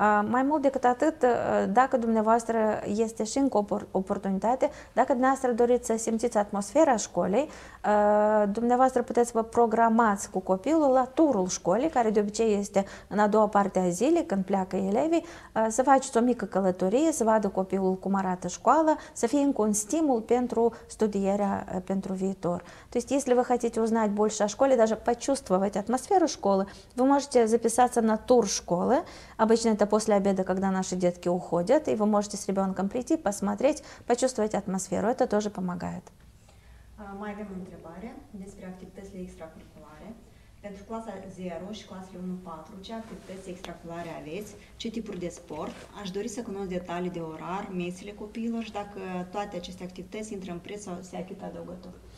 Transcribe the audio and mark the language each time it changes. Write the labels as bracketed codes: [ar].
[ro] Mai mult decât atât, dacă dumneavoastră este și încă o oportunitate, dacă dumneavoastră doriți să simțiți atmosfera școlii, dumneavoastră puteți vă programați cu copilul la turul școlii, care de obicei este în a doua parte a zilei, când pleacă elevii, să faceți o mică călătorie, să vadă copilul cum arată școala, să fie încă un stimul pentru studierea pentru viitor. [ru] То есть, если вы хотите узнать больше о школе, даже почувствовать атмосферу школы, вы можете записаться на тур школы. Обычно это после обеда, когда наши детки уходят, и вы можете с ребенком прийти, посмотреть, почувствовать атмосферу. Это тоже помогает. Мы имеем [ro] întrebare despre activitățile extracurriculare. Pentru clasa 0 și clasele 1-4, ce activități extracurriculare aveți? Ce tipuri de sport? Aș dori să cunosc detalii de orar, mesele copiilor și dacă toate aceste activități intră în preț sau se achită adăugător.